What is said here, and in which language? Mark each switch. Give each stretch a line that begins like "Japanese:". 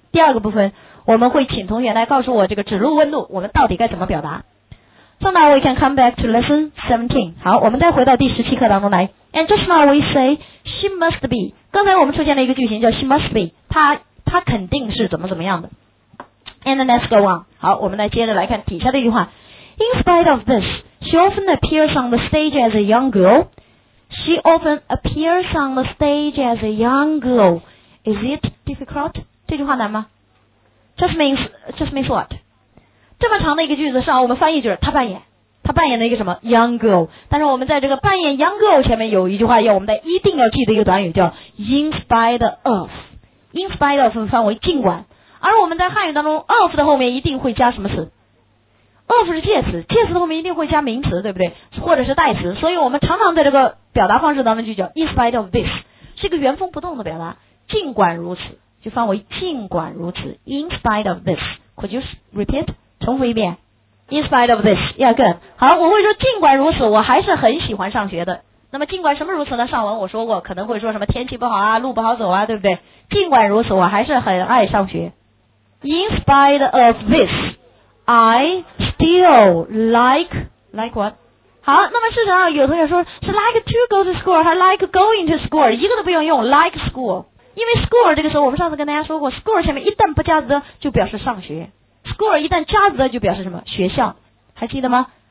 Chinese: 第二个部分我们会请同学来告诉我这个指路问路我们到底该怎么表达。
English: So now we can come back to lesson 17。
Chinese: 好，我们再回到第17课当中来。
English: And just now we say she must be，
Chinese: 刚才我们出现了一个句型叫
English: she must be，
Chinese: 她肯定是怎么怎么样的。
English: And let's go on。
Chinese: 好，我们来接着来看底下的一句话。
English: In spite of this she often appears on the stage as a young girlShe often appears on the stage as a young girl. Is it difficult?
Chinese: 这句话难吗？
English: Just means what?
Chinese: 这么长的一个句子上，我们翻译就是她扮演了一个什么 young girl。但是我们在这个扮演 young girl 前面有一句话要我们在一定要记的一个短语，叫
English: in spite of。
Chinese: In spite of 翻为尽管，而我们在汉语当中 of 的后面一定会加什么词？ of 是介词，介词的后面一定会加名词，对不对？或者是代词。所以我们常常在这个表达方式当中就叫
English: in spite of this，
Chinese: 是一个原封不动的表达，尽管如此，就翻为尽管如此。
English: in spite of this， could you repeat，
Chinese: 重复一遍
English: in spite of this， yeah good。
Chinese: 好，我会说尽管如此我还是很喜欢上学的。那么尽管什么如此呢？上文我说过可能会说什么天气不好啊，路不好走啊，对不对？尽管如此我还是很爱上学。
English: in spite of this I still like what。
Chinese: 好，那么事实上有同学说是
English: like to go to school
Chinese: 还
English: like going to school，
Chinese: 一个都不用用
English: like school，
Chinese: 因为 school 这个时候我们上次跟大家说过， school 前面一旦不加的就表示上学， school 一旦加的就表示什么，学校，还记得吗？